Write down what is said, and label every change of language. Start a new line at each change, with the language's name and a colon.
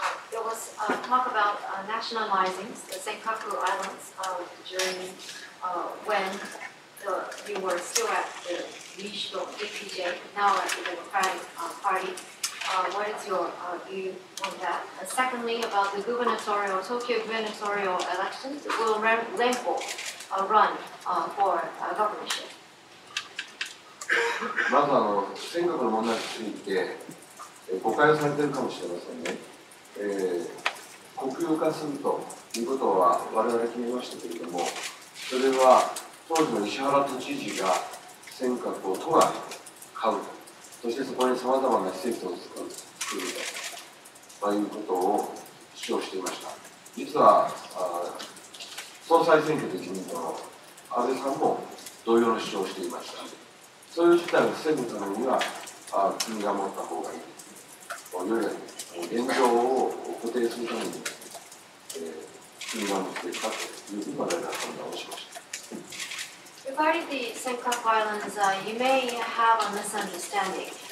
English: There was talk about nationalizing the Senkaku Islands during when you were still at the Mishito DPJ, now at the Democratic Party. What is your view on that? Secondly, about the gubernatorial, Tokyo gubernatorial elections, will Lempo run for governorship?
Japanese: まず尖閣の問題について誤解をされているかもしれませんね。国有化するということは我々決めましたけれども、それは当時の石原都知事が尖閣を都が買うと、そしてそこにさまざまな施設を作るということを主張していました。実は総裁選挙で自民党の安倍さんも同様の主張をしていました。そういう事態を防ぐためには国が持った方がいい、いわゆる現状を固定するために国が持っていたというふうに我々は判断をしました。
English: Regarding the Senkaku Islands, you may have a misunderstanding.